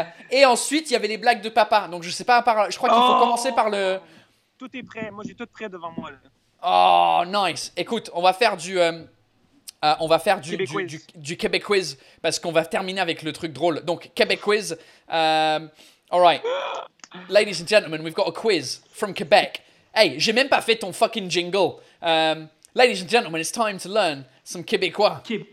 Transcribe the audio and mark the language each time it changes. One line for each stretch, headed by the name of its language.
French: Et ensuite, il y avait les blagues de papa. Donc je sais pas. Je crois qu'il faut commencer par le. Tout est prêt. Moi, j'ai tout prêt devant moi.
English: Oh, nice.
French: Écoute, on va faire du. On va faire du Québec quiz parce qu'on va terminer avec le truc drôle. Donc, Québec quiz.
English: All right. Ladies and gentlemen, we've got a quiz from Québec.
French: Hey, j'ai même pas fait ton
English: fucking jingle. Ladies and gentlemen, it's time to learn some Québécois.